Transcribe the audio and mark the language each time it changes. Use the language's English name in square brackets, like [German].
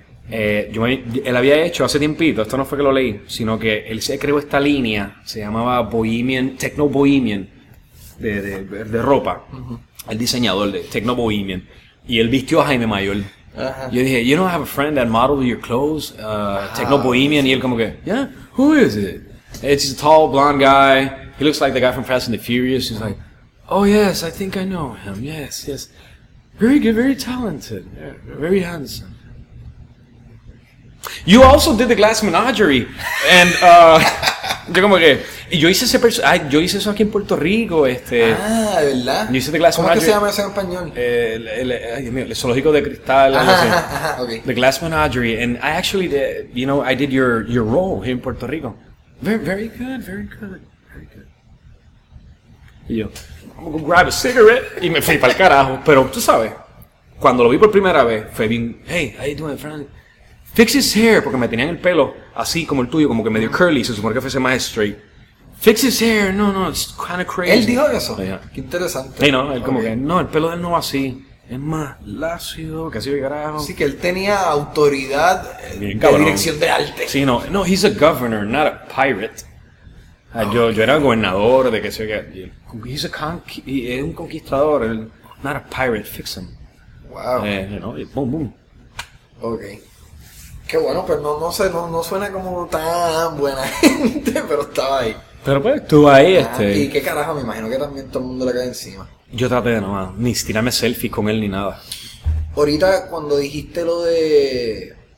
[Spanish] él había hecho hace tiempito, esto no fue que lo leí, sino que él se creó esta línea, se llamaba Bohemian, Techno Bohemian, de ropa. El diseñador de Techno Bohemian. Y él vistió a Jaime Mayor. Yo dije, [English] you don't have a friend that modeled your clothes, Techno Bohemian. [Spanish] Y él como que, [English] yeah, who is it? It's a tall, blonde guy. He looks like the guy from Fast and the Furious. He's like, oh, yes, I think I know him. Yes, yes. Very good, very talented. Very handsome. You also did the Glass Menagerie. And, [Spanish] yo como que... yo hice eso aquí en Puerto Rico, ¿verdad? Yo hice The Glass ¿Cómo [English] Menagerie. [Spanish] ¿Cómo es que se llama eso en español? Dios mío, el zoológico de cristal. Ajá, okay. The Glass Menagerie. [English] And I actually, I did your role here in Puerto Rico. Very, very good, very good, very good. [Spanish] Y yo, [English] I'm gonna go grab a cigarette. [Spanish] Y me fui para el carajo. Pero tú sabes, cuando lo vi por primera vez, fue bien, [English] hey, how you doing, friend? Fix his hair, [Spanish] porque me tenían el pelo así como el tuyo, como que medio curly. Se supone que fuese más straight. [English] Fix his hair, no, it's kind of crazy. [Spanish] Él dijo eso. [English] Oh, yeah. [Spanish] Qué interesante. Y no, él como que, no, el pelo de él no va así. Es más lácido, casi de carajo. Sí, que él tenía autoridad de dirección de arte. Sí, no, [English] he's a governor, not a pirate. [Spanish] Yo era gobernador de qué sé yo. [English] He's a conquistador, not a pirate, fix him. Wow. Boom, boom. Ok. [Spanish] Qué bueno, pero no sé, no suena como tan buena gente, pero estaba ahí. Pero pues estuvo ahí. Y qué carajo, me imagino que también todo el mundo le cae encima. Yo traté de nomás, ni tirarme selfies con él ni nada. Ahorita cuando dijiste lo de...